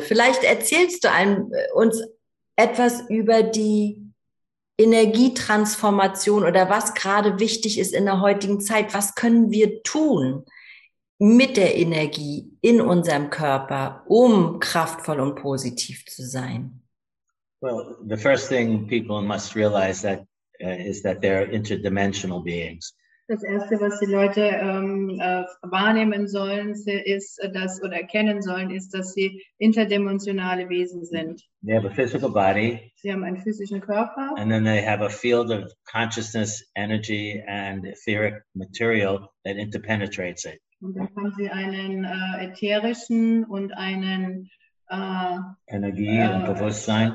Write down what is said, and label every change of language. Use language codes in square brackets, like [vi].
[de] Vielleicht erzählst du uns etwas über die Energietransformation oder was gerade wichtig ist in der heutigen Zeit, was können wir tun mit der Energie in unserem Körper, um kraftvoll und positiv zu sein? [en] Well, the first thing people must realize that is that they're interdimensional beings. [de] Das erste, was die Leute wahrnehmen sollen, ist das oder erkennen sollen, ist, dass sie interdimensionale Wesen sind. [en] They have a physical body. [de] Sie haben einen physischen Körper. [en] And then they have a field of consciousness, energy and etheric material that interpenetrates it. [de] Und dann haben sie einen ätherischen und einen Energie und Bewusstsein.